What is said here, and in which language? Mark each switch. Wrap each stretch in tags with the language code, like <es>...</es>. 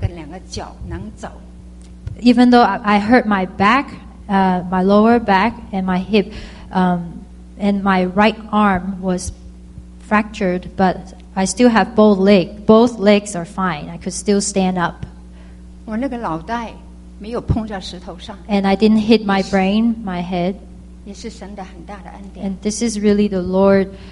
<zh>我虽然我那个腰背是重重的碰在摔在地上，右手也断了，但是我知道我那个两个脚能走。Even</zh> <en>though I hurt my back, my lower back and my hip, and my right arm was fractured, but I still have both legs. Both legs are fine. I could still stand up.</en> <zh>我那个脑袋没有碰在石头上。</zh> <en>And I didn't hit my brain, my head. And this is really the Lord</en>